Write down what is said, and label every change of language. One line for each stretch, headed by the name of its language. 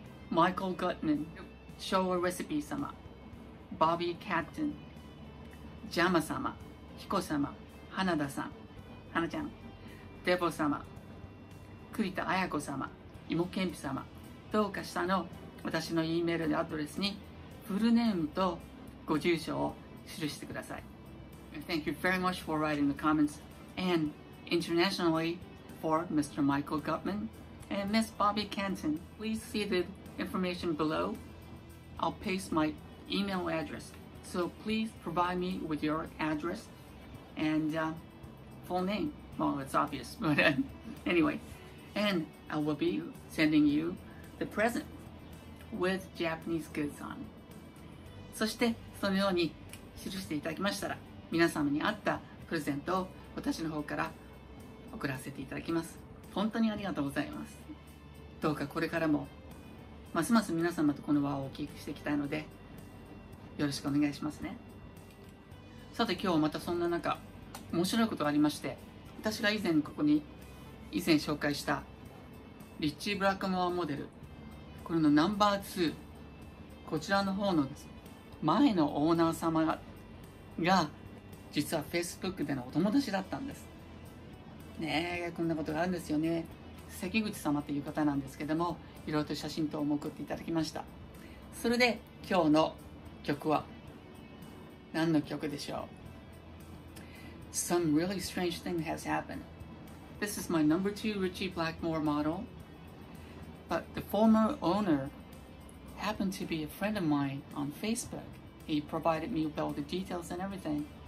Japanese: マイケル・グッマン、昭和レシピ様、バービー・キャプテン、ジャマ様、ヒコ様、花田さん、花ちゃん、デボ様、栗田綾子様、イモケンピ様、どうか下の私の E メールのアドレスにフルネームとご住所を記してください。
English: Thank you very much for writing the comments. And internationally,for Mr. Michael Gutman and Miss Bobby Canton, please see the information below. I'll paste my email address. So please provide me with your address and full name. Well, it's obvious, but anyway. And I will be sending you the present with Japanese goods on.
Japanese: そしてそのように記していただきましたら、皆様に合ったプレゼントを私の方から送らせていただきます。本当にありがとうございます。どうかこれからもますます皆様とこの輪を大きくしていきたいので、よろしくお願いしますね。さて今日またそんな中面白いことがありまして、私が以前紹介したリッチー・ブラックモアモデル、これのナンバー2、こちらの方の前のオーナー様が実は Facebook でのお友達だったんです。ねえ、こんなことがあるんですよね。関口様という方なんですけども、いろいろと写真等も送っていただきました。それで今日の曲は何の曲でしょう。
English: Some really strange thing has happened. This is my number two Ritchie Blackmore model, but the former owner happened to be a friend of mine on Facebook. He provided me with all the details and everything.